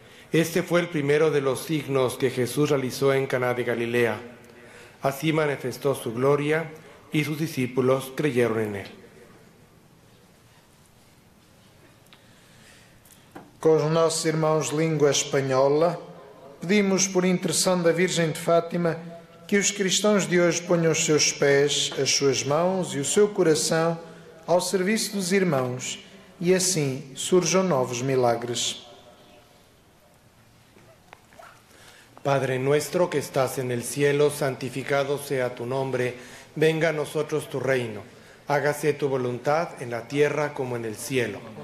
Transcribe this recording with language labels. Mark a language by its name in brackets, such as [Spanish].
[Spanish] Este fue el primero de los signos que Jesús realizó en Caná de Galilea. Así manifestó su gloria y sus discípulos creyeron en él. Con los [Portuguese] nossos irmãos [Spanish] de lengua española, pedimos por intercesión de la Virgen de Fátima [Portuguese] que os cristãos de hoje ponham os seus pés, as suas mãos e o seu coração ao serviço dos irmãos e assim surjam novos milagres. [Spanish] Padre nuestro que estás en el cielo, santificado sea tu nombre, venga a nosotros tu reino, hágase tu voluntad en la tierra como en el cielo.